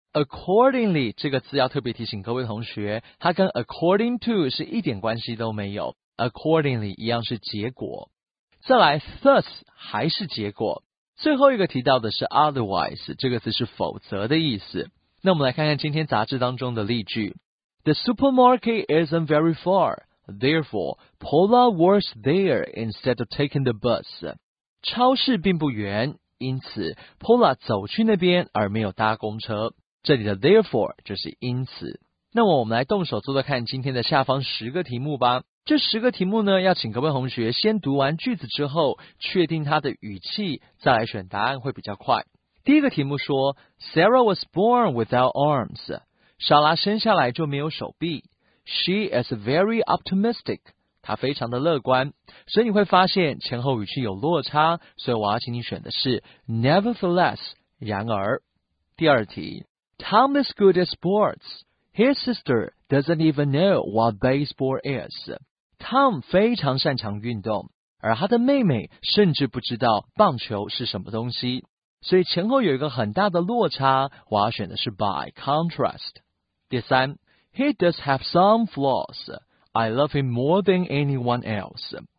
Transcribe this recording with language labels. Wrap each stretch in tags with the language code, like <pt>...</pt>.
<zh>accordingly 这个字要特别提醒各位同学，它跟 according to 是一点关系都没有， accordingly 一样是结果。再来 thus 还是结果。最后一个提到的是 otherwise， 这个词是否则的意思。那我们来看看今天杂志当中的例句。</zh> <en>The supermarket isn't very far, therefore Paula works there instead of taking the bus.</en> <zh>超市并不远，因此 Paula 走去那边而没有搭公车。这里的 therefore 就是因此。那么我们来动手做做看今天的下方十个题目吧。这十个题目呢，要请各位同学先读完句子之后，确定它的语气，再来选答案会比较快。第一个题目说 ，</zh> <en>Sarah was born without arms.</en> <zh>莎拉生下来就没有手臂。</zh> <en>She is very optimistic.</en> <zh>她非常的乐观。所以你会发现前后语气有落差，所以我要请你选的是 nevertheless, 然而。第二题</zh> <en>,Tom is good at sports. His sister doesn't even know what baseball is.</en> <zh>Tom 非常擅长运动，而他的妹妹甚至不知道棒球是什么东西。所以前后有一个很大的落差，我要选的是 by contrast。第三</zh> <en>,He does have some flaws. I love him more than anyone else.</en>